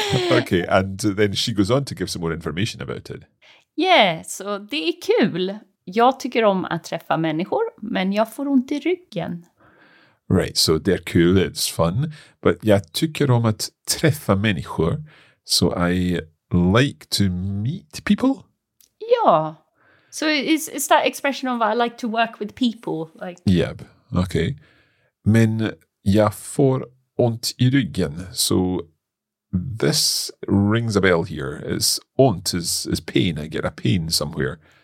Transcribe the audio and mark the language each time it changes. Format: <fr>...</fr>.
<en>Okay, and then she goes on to give some more information about it. Yeah, so</en> <sv>det är kul. Jag tycker om att träffa människor, men jag får ont i ryggen.</sv> <en>Right, so they're cool, it's fun. But</en> <sv>jag tycker om att träffa människor,</sv> <en>so I like to meet people. Yeah, so it's that expression of I like to work with people. Like. Yep, okay.</en> <sv>Men jag får ont i ryggen.</sv> <en>So this rings a bell here. It's ont is pain, I get a pain somewhere.</en>